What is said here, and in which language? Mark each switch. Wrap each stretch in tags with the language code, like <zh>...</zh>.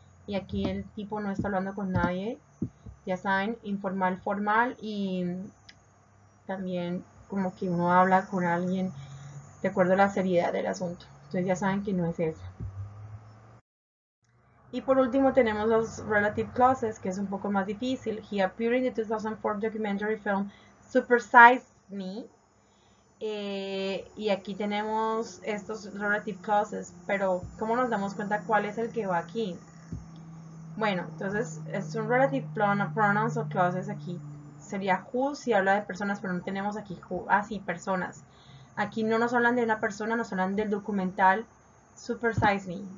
<es>Y aquí el tipo no está hablando con nadie. Ya saben, informal, formal. Y también como que uno habla con alguien de acuerdo a la seriedad del asunto. Entonces ya saben que no es eso. Y por último tenemos los relative clauses, que es un poco más difícil.</es> <en>He appeared in the 2004 documentary film Supersize Me.</en> <es>Y aquí tenemos estos relative clauses. Pero ¿cómo nos damos cuenta cuál es el que va aquí? Bueno, entonces es un relative pronouns o clauses aquí. Sería who si habla de personas, pero no tenemos aquí who. Ah, sí, personas. Aquí no nos hablan de una persona, nos hablan del documental Supersize Me.</es>